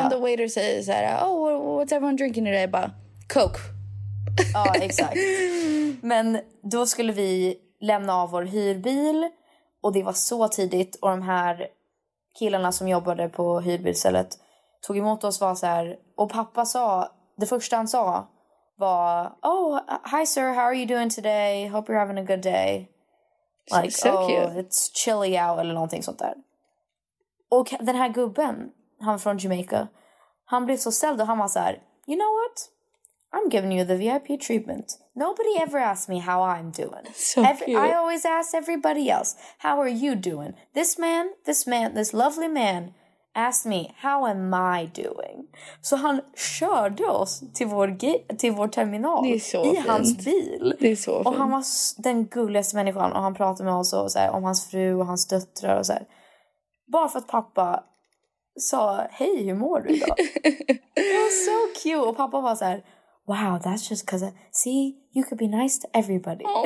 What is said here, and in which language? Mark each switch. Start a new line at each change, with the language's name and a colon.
Swedish: Men typ om
English: the waiter
Swedish: säger så här,
English: oh, what's everyone drinking today?
Swedish: Bara,
English: coke.
Swedish: Ja, exakt. Men då skulle vi lämna av vår hyrbil och det var så tidigt. Och de här killarna som jobbade på hyrbilstället tog emot oss och var så här, och pappa sa, det första han sa... var,
English: oh, hi sir, how are you doing today? Hope you're having a good day. Like, so cute. Oh, it's chilly out,
Swedish: eller någonting sånt där. Och den här gubben, han från Jamaica, han blev så ställd och han var så här,
English: you know what? I'm giving you the VIP treatment. Nobody ever asked me how I'm doing. So cute. I always ask everybody else, how are you doing? This man, this lovely man, ask me, how am I doing?
Swedish: Så han körde oss till vår terminal i hans bil. Det är så fint. Och han var den gulligaste människan. Och han pratade med oss och så här, om hans fru och hans döttrar. Och så här. Bara för att pappa sa, hej, hur mår du idag? Det var så cute. Och pappa var så här,
English: wow, that's just because, see, you could be nice to everybody.